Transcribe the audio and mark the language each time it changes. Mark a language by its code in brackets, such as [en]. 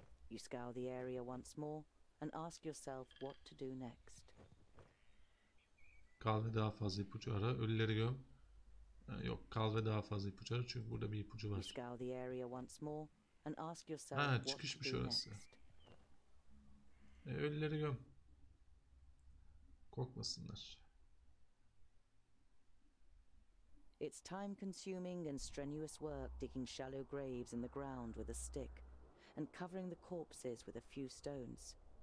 [en] You scour the area once more and ask yourself what to do next. [tr] Kal ve daha fazla ipucu ara. Ölüleri göm. Yok, kal ve daha fazla ipucu ara çünkü burada bir ipucu var. [en] You scour the area once more and ask yourself what to do next. [tr] Çıkışmış orası. Ölüleri göm. Korkmasınlar. [en] It's time consuming and strenuous work digging shallow graves in the ground with a stick and covering the corpses with a few stones.